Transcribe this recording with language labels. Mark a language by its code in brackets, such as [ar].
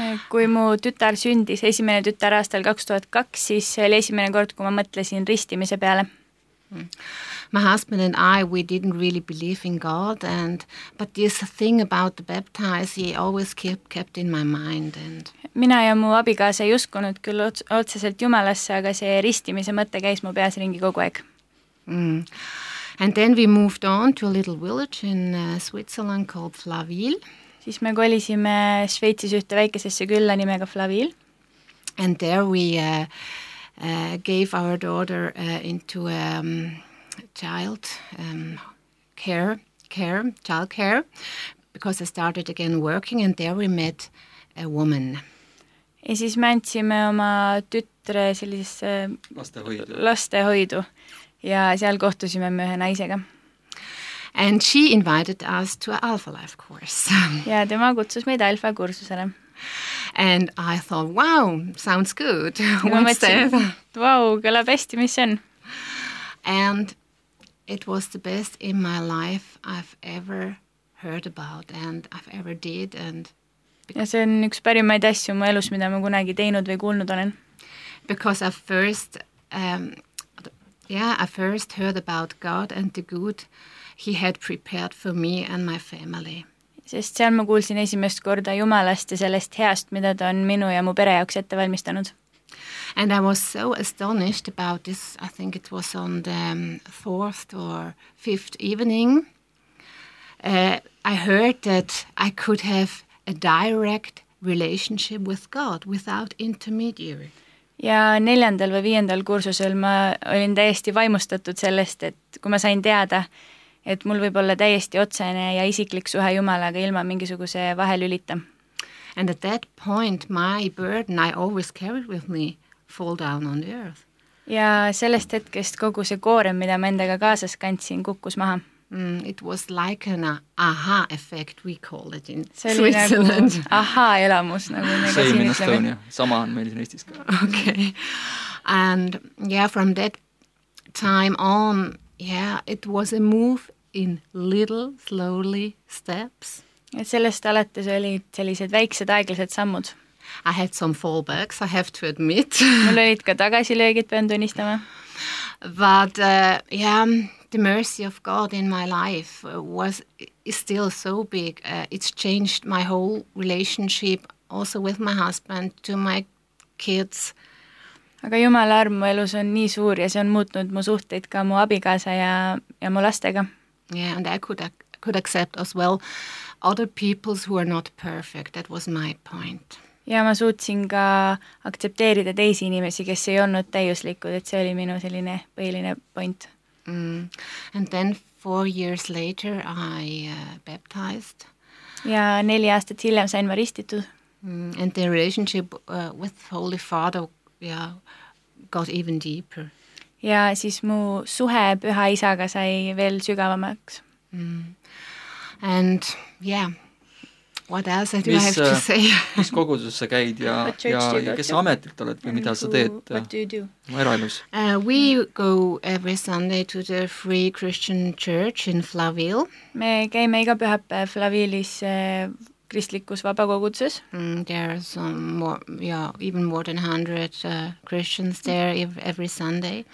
[et] Kui mu tütar sündis esimene tütar aastal 2002, siis see oli esimene kord, kui ma mõtlesin ristimise peale. [en] My husband and I, we didn't really believe in God, but this thing about the baptize, he always kept in my mind. And [et] Mina ja mu abikaas ei uskunud küll otseselt Jumalasse, aga see ristimise mõte käis mu peas ringi kogu aeg. [en] And then we moved on to a little village in Switzerland called Flaville. [et] Siis me kolisime Sveitsis ühte väikesesse külla nimega Flaville. [en] And there we gave our daughter into child care, because I started again working and there we met a woman. [et] Ja siis me andsime oma tütre sellisesse lastehoidu ja seal kohtusime me ühe naisega. [en] And she invited us to an Alpha Life course. [et] Ja tema kutsus meid Alpha kursusele. [en] And I thought, wow, sounds good. [et] Wow, kõlab hästi, mis on. [en] And it was the best in my life I've ever heard about and I've ever did. And [et] ja see on üks pärimaid asju mu elus, mida ma kunagi teinud või kuulnud olen. [en] Because I first heard about God and the good he had prepared for me and my family. [et] Sest seal ma kuulsin esimest korda Jumalast ja sellest heast, mida ta on minu ja mu pere jaoks ette valmistanud. [en] And I was so astonished about this, I think it was on the fourth or fifth evening, I heard that I could have a direct relationship with God without intermediary. [et] Ja neljandal või viiendal kursusel ma olin täiesti vaimustatud sellest, et kui ma sain teada, et mul võib olla täiesti otsene ja isiklik suhe Jumalaga ilma mingisuguse vahel ülita. [en] And at that point my burden I always carried with me fall down on the earth. [et] Ja sellest hetkest kogu see koorem, mida ma endaga kaasas kantsin, kukkus maha. [en] It was like an aha effect, we call it in Switzerland. [et] Aha elamus, nagu me Same siin ütleme. Estonia. Sama on meil siin Eestis ka. [en] Okay. And yeah, from that time on, yeah, it was a move in little, slowly steps. [et] Ja sellest alates olid sellised väiksed, aeglased sammud. [en] I had some fallbacks, I have to admit. [et] Mul olid ka tagasilöögid, pean tunnistama. [en] But, yeah, the mercy of God in my life was still so big. It's changed my whole relationship, also with my husband, to my kids. [et] Aga Jumala arm mu elus on nii suur ja see on muutnud mu suhteid ka mu abikaasa ja mu lastega. [en] Yeah, and I could accept as well other peoples who are not perfect. That was my point. [et] Ja ma suutsin ka aktsepteerida teisi inimesi, kes ei olnud täiuslikud, et see oli minu selline põhiline point. [en] And then 4 years later I baptized. [et] Ja 4 aastat hiljem sain ma ristitud. [en] And the relationship with Holy Father yeah, got even deeper. [et] Ja siis mu suhe püha isaga sai veel sügavamaks. [en] And yeah. What else do [et] mis, [en] I have to say? [et] Mis koguduses sa käid ja kes sa ametilt oled või mida sa teed? [en] What do you do? [et] Eraelus. [en] We go every Sunday to the Free Christian Church in Flaville. [et] Me käime iga pühapäev Flavilis kristlikus vabakoguduses. [en] There are some more, yeah, even more than 100 Christians there every Sunday.